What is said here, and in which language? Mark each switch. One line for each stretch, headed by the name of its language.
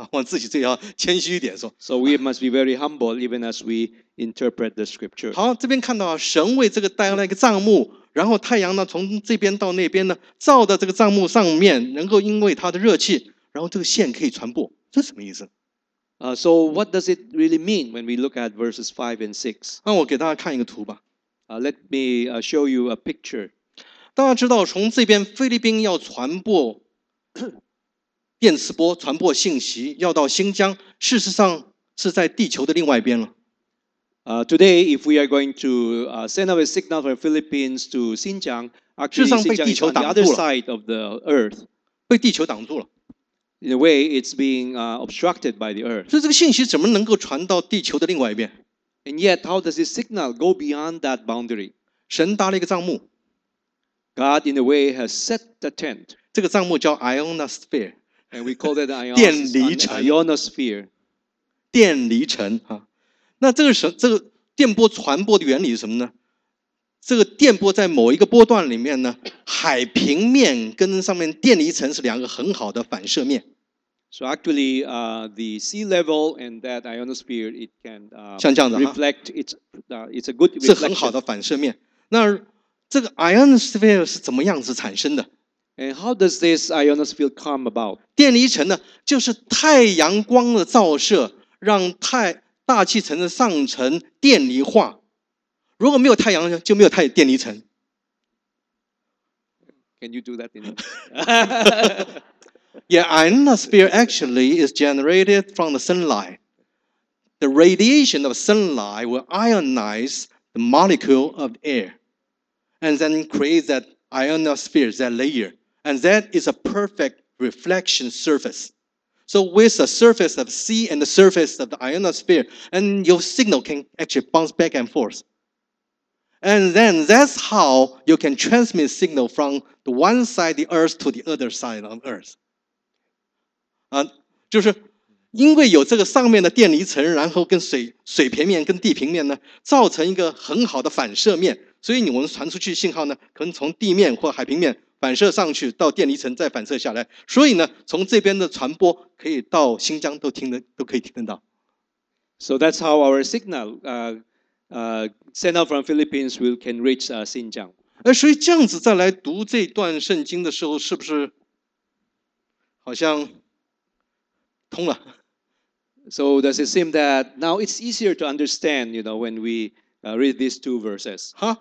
Chinese: 我自己最要谦虚一点说
English: So we must be very humble, even as we interpret the scripture.
Chinese: 好，这边看到神为这个带来一个帐幕，然后太阳呢从这边到那边呢照到这个帐幕上面，能够因为它的热气。然后这个线可以传播，这什么意思？
English: So what does it really mean when we look at verses 5 and 6?
Chinese: 那我给大家看一个图吧。
English: Let me show you a picture.
Chinese: 大家知道，从这边菲律宾要传播电磁波、传播信息，要到新疆，事实上是在地球的另外一边了。
English: Today, if we are going to send out a signal from Philippines to Xinjiang, actually,
Chinese: 事实上被地球挡住了。
English: On the other side of the Earth,
Chinese: 被地球挡住了。
English: In a way, it's being obstructed by the earth.
Chinese: 所以这个信息怎么能够传到地球的另外一边
English: ？And yet, how does this signal go beyond that boundary?
Chinese: 神搭了一个帐幕。
English: God, in a way, has set the tent.
Chinese: 这个帐幕叫 ionosphere，
English: And we call that ionosphere.
Chinese: 电离层
English: ionosphere.
Chinese: 电离层、啊、那这个是这个电波传播的原理是什么呢？这个电波在某一个波段里面呢，海平面跟上面电离层是两个很好的反射面。
English: So actually, the sea level and that ionosphere, it can reflect. It's a good reflection.
Chinese: 是很好的反射面。那这个 ionosphere 是怎么样子产生的？
English: And how does this ionosphere come about?
Chinese: 电离层呢，就是太阳光的照射让大气层的上层电离化。如果没有太阳，就没有太电离层。
English: Can you do that? Yeah, ionosphere actually is generated from the sunlight. The radiation of sunlight will ionize the molecule of air, and then create that ionosphere, that layer, and that is a perfect reflection surface. So with the surface of sea and the surface of the ionosphere, and your signal can actually bounce back and forth. And then that's how you can transmit signal from the one side of the Earth to the other side of Earth.
Chinese: 就是因为有这个上面的电离层，然后跟水平面跟地平面呢，造成一个很好的反射面，所以你们传出去信号呢，可能从地面或海平面反射上去，到电离层再反射下来，所以呢，从这边的传播可以到新疆都可以听得到。
English: So that's how our signal, sent out from Philippines will can reach Xinjiang.
Chinese: 所以这样子再来读这段圣经的时候，是不是好像？通了。
English: So does it seem that now it's easier to understand, you know, when we read these two verses?